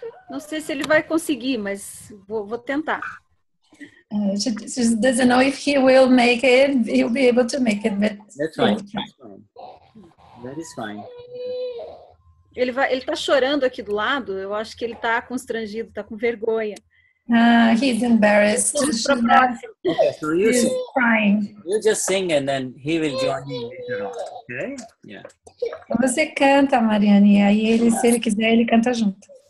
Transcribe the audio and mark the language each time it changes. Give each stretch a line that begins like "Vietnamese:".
Portuguese: Não sei se ele vai conseguir, mas vou tentar.
English: She doesn't know if he will make it. He'll be able to make it. But That's fine.
Portuguese: Ele tá chorando aqui do lado. Eu acho que ele tá constrangido, tá com vergonha.
English: He's embarrassed. Okay, so he's crying. You just sing and then he will join you later on. Okay? Yeah.
Portuguese: Você canta, Marianne, e aí ele, se ele quiser, ele canta junto.